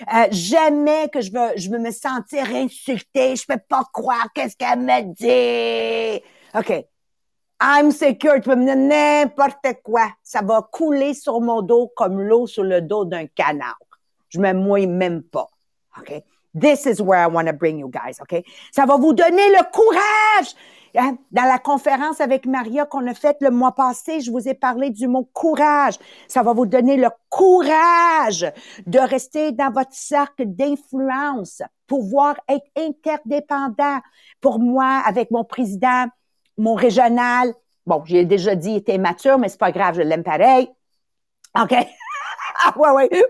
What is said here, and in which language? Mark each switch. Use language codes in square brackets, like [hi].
[fr] Jamais que je veux me sentir insultée. Je peux pas croire qu'est-ce qu'elle me dit. OK. [en] I'm secure. [fr] Tu peux me dire n'importe quoi. Ça va couler sur mon dos comme l'eau sur le dos d'un canard. Je me mouille même pas. OK? [en] This is where I want to bring you guys, okay? [fr] Ça va vous donner le courage! Hein? Dans la conférence avec Maria qu'on a faite le mois passé, je vous ai parlé du mot courage. Ça va vous donner le courage de rester dans votre cercle d'influence, pouvoir être interdépendant. Pour moi, avec mon président, mon régional, bon, j'ai déjà dit qu'il était immature, mais c'est pas grave, je l'aime pareil. Okay? Ah, ouais, ouais.